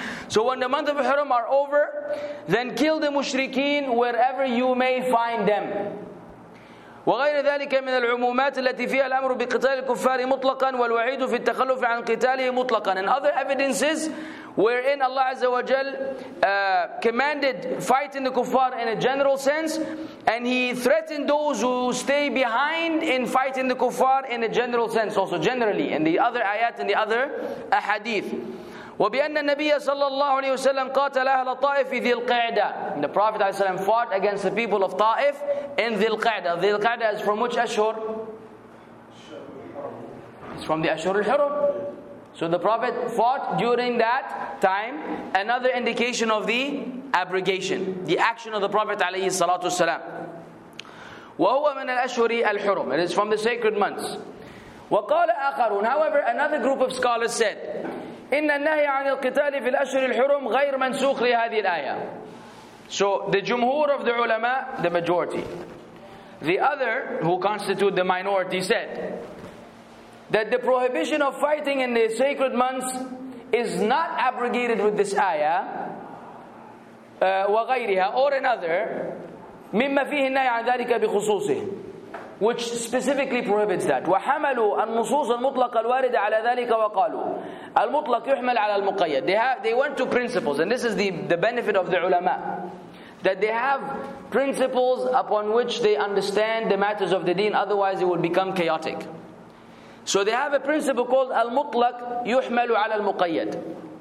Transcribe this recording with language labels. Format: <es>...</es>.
<en>So when the month of Ihram are over, then kill the mushrikeen wherever you may find them.</en> <ar>وغير ذلك من العمومات التي فيها الأمر بقتال الكفار مطلقا والوعيد في التخلف عن قتاله مطلقا.</ar> <en>And other evidences wherein Allah Azza wa Jal commanded fighting the kuffar in a general sense, and He threatened those who stay behind in fighting the kuffar in a general sense, also generally in the other ayat and the other ahadith.</en> <ar>وبأن النبي صلى الله عليه وسلم قاتل أهل الطائف ذي القعدة.</ar> <en>The Prophet عليه السلام fought against the people of Taif in ذي القعدة. ذي القعدة is from which أشهر? It's from the أشهر الحرم. So the Prophet fought during that time. Another indication of the abrogation, the action of the Prophet عليه الصلاة والسلام.</en> <ar>وهو من الأشهر الحرم.</ar> <en>It is from the sacred months.</en> <ar>وقال آخرون.</ar> <en>However, another group of scholars said,</en> <ar>إن النهي عن القتال في الأشهر الحرم غير منسوخ لهذه الآية.</ar> <en>So the jumhur of the ulama, the majority, the other who constitute the minority said that the prohibition of fighting in the sacred months is not abrogated with this ayah</en> <ar>وغيرها</ar> <en>or another</en> <ar>مما فيه النهي عن ذلك بخصوصه,</ar> <en>which specifically prohibits that.</en> <ar>وحملوا النصوص المطلقة الواردة على ذلك وقالوا المطلق يحمل على المقيد.</ar> <en>They went to principles, and this is the benefit of the ulama, that they have principles upon which they understand the matters of the deen, otherwise it would become chaotic. So they have a principle called</en> <ar>المطلق يحمل على المقيد.</ar>